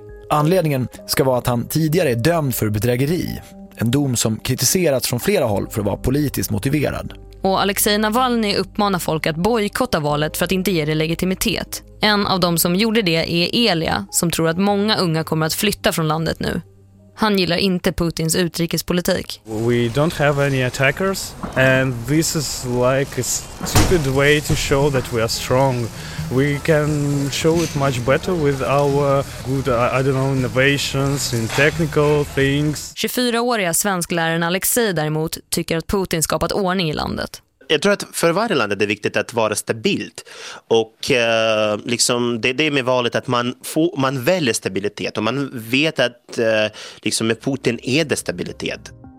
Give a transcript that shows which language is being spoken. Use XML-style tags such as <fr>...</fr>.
<sv>Anledningen ska vara att han tidigare är dömd för bedrägeri, en dom som kritiserats från flera håll för att vara politiskt motiverad. Och Alexej Navalny uppmanar folk att bojkotta valet för att inte ge det legitimitet. En av dem som gjorde det är Elia, som tror att många unga kommer att flytta från landet nu. Han gillar inte Putins utrikespolitik.</sv> <en>We don't have any attackers and this is like a stupid way to show that we are strong. We can show it much better with our good, I don't know, innovations in technical things.</en> <sv>24-åriga svenskläraren Alexej däremot tycker att Putin skapat ordning i landet. Jag tror att för varje land är det viktigt att vara stabilt. Och liksom det är med valet att man väljer stabilitet. Och man vet att liksom med Putin är det stabilitet.</sv>